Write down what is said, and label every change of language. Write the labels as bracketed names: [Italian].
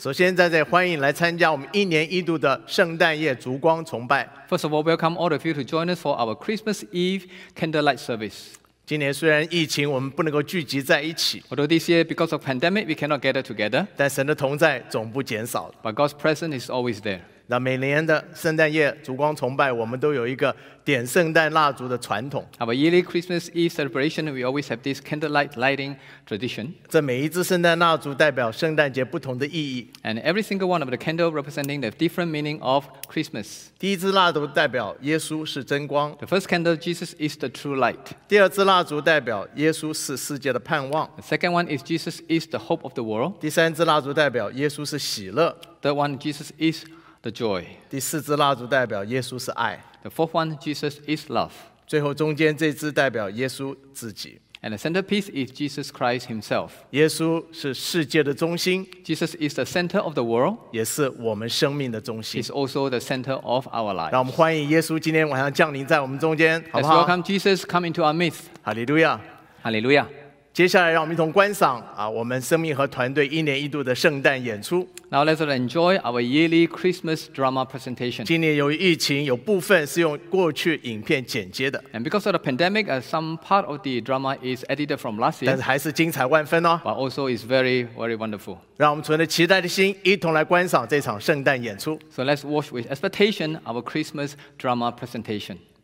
[Chinese] 首先，在这里欢迎来参加我们一年一度的圣诞夜烛光崇拜。 [English] First of all, welcome all of you to join us for our Christmas Eve candlelight service. [Chinese] 今年虽然疫情，我们不能够聚集在一起。 [English] Although this year, because of pandemic, we cannot gather together. [Chinese] 但神的同在总不减少。 [English] But God's presence is always there. [Chinese] 那每年的圣诞夜烛光崇拜，我们都有一个点圣诞蜡烛的传统。 [English] Our yearly Christmas Eve celebration, we always have this candlelight lighting tradition. [Chinese] 这每一支圣诞蜡烛代表圣诞节不同的意义。 [English] And every single one of the candles representing the different meaning of Christmas. [Chinese] 第一支蜡烛代表耶稣是真光。 [English] The first candle, Jesus is the true light. [Chinese] 第二支蜡烛代表耶稣是世界的盼望。 [English] The second one is Jesus is the hope of the world. [Chinese] 第三支蜡烛代表耶稣是喜乐。 [English] Third one, Jesus is the joy. [Chinese] 第四支蜡烛代表耶稣是爱。 [English] The fourth one, Jesus is love. [Chinese] 最后中间这支代表耶稣自己。 [English] And the centerpiece is Jesus Christ himself. [Chinese] 耶稣是世界的中心。 [English] Jesus is the center of the world. [Chinese] 也是我们生命的中心。 [English] He's also the center of our lives. [Chinese] 让我们欢迎耶稣今天晚上降临在我们中间，好不好？ [English] Let's welcome Jesus come into our midst. Hallelujah. Hallelujah. [Chinese] 接下来让我们一同观赏我们生命和团队一年一度的圣诞演出。 [English] Now let's enjoy our yearly Christmas drama presentation. [Chinese] 今年由于疫情，有部分是用过去影片剪接的。 [English] And because of the pandemic, some part of the drama is edited from last year. [Chinese] 但是还是精彩万分哦。 [English] But also is very, very wonderful. [Chinese] 让我们存着期待的心，一同来观赏这场圣诞演出。 [English] So let's watch with expectation our Christmas drama presentation.